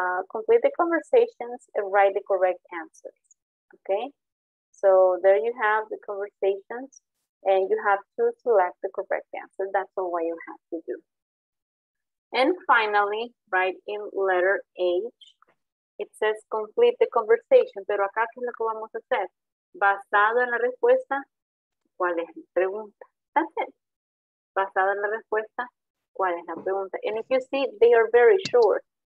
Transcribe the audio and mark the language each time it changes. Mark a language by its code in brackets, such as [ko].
[en] Complete the conversations and write the correct answers, okay? So there you have the conversations, and you have to select the correct answer. That's all what you have to do. And finally, right in letter H, it says complete the conversation. [es] Pero acá, ¿qué es lo que vamos a hacer? Basado en la respuesta, ¿cuál es la pregunta? [en] That's it. [es] Basado en la respuesta, ¿cuál es la pregunta? [en] And if you see, they are very short.